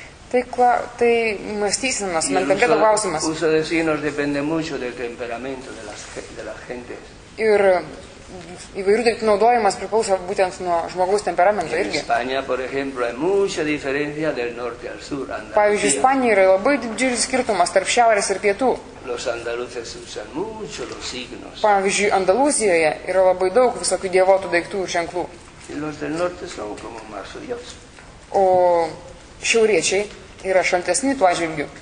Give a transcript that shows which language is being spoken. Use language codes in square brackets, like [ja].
[lt] Tai, tai mąstysimas, mentaliteto klausimas. [es] Uso de signos depende mucho del temperamento de la gente. [lt] Ir įvairių daiktų naudojimas priklauso būtent nuo žmogaus temperamento irgi. [es] En España, por ejemplo, hay mucha diferencia del norte al sur. [lt] Pavyzdžiui, Ispanijoje yra labai didžiulis skirtumas tarp šiaurės ir pietų. [es] Los andaluces usan mucho los signos. [lt] Pavyzdžiui, Andalūzijoje yra labai daug visokių dievotų daiktų ir ženklų. [es] Los del norte son como más fríos. [lt] O šiauriečiai yra šaltesni tuo atžvilgiu.